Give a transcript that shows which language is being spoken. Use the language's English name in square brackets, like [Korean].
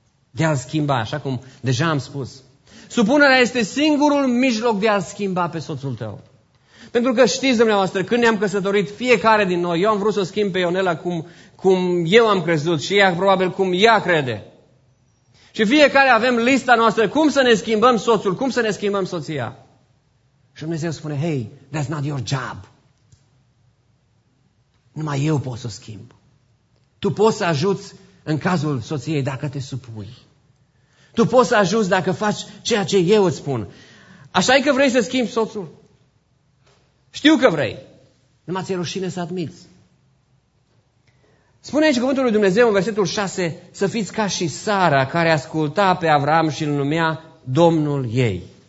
[Romanian] De a-l schimba, așa cum deja am spus. Supunerea este singurul mijloc de a-ți schimba pe soțul tău. Pentru că știți, dumneavoastră, când ne-am căsătorit, fiecare din noi, eu am vrut să schimb pe Ionela cum eu am crezut și ea probabil cum ea crede. Și fiecare avem lista noastră, cum să ne schimbăm soțul, cum să ne schimbăm soția. Și Dumnezeu spune, [English] hey, that's not your job. [Romanian] Numai eu pot să schimb. Tu poți să ajuți în cazul soției dacă te supui. Tu poți să ajuți dacă faci ceea ce eu îți spun. Așa e că vrei să schimbi soțul? Știu că vrei. Numai ți-e rușine să admiți. Spune aici cuvântul lui Dumnezeu în versetul 6, să fiți ca și Sara, care asculta pe Avram și îl numea domnul ei.